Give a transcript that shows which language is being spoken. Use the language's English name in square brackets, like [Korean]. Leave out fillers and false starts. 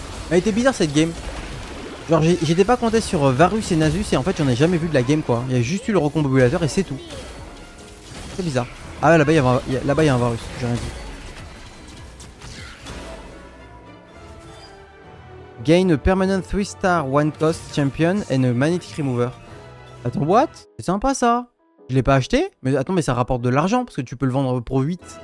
[French] Elle était bizarre cette game. Genre, j'étais pas compté sur Varus et Nasus, et en fait, j'en ai jamais vu de la game, quoi. Il y a juste eu le recombobulateur et c'est tout. C'est bizarre. Ah là-bas il y a un Varus, j'ai rien dit. [English] Gain a permanent 3 star 1 cost champion and a magnetic remover. [French] Attends, [English] what? [French] C'est sympa ça. Je l'ai pas acheté? Mais attends, mais ça rapporte de l'argent parce que tu peux le vendre pour 8.